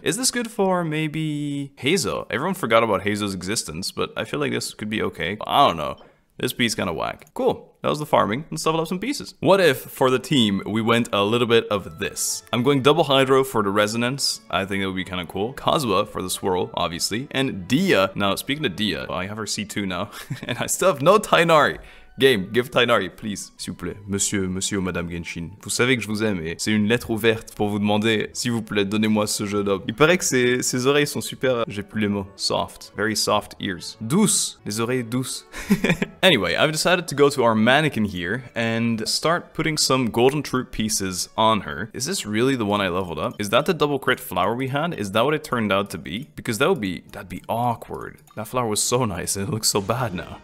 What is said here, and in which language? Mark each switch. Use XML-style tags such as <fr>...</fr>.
<en>Is this good for maybe Hazo? Everyone forgot about Hazo's existence, but I feel like this could be okay. I don't know. This piece kind of whack. Cool. That was the farming. Let's level up some pieces. What if, for the team, we went a little bit of this? I'm going double hydro for the resonance. I think that would be kind of cool. Kazuha for the swirl, obviously. And Dia. Now, speaking of Dia, I have her C2 now. And I still have no Tainari. Game, give Tainari, please.</en> <fr>S'il vous plaît, monsieur, monsieur, madame Genshin. Vous savez que je vous aime et c'est une lettre ouverte pour vous demander, s'il vous plaît, donnez-moi ce jeune homme. Il paraît que ses oreilles sont super... J'ai plus les mots. Soft. Very soft ears. Douce. Les oreilles douces.</fr> <en>Anyway, I've decided to go to our mannequin here and start putting some golden troop pieces on her. Is this really the one I leveled up? Is that the double crit flower we had? Is that what it turned out to be? Because that would be... That'd be awkward. That flower was so nice and it looks so bad now.</en>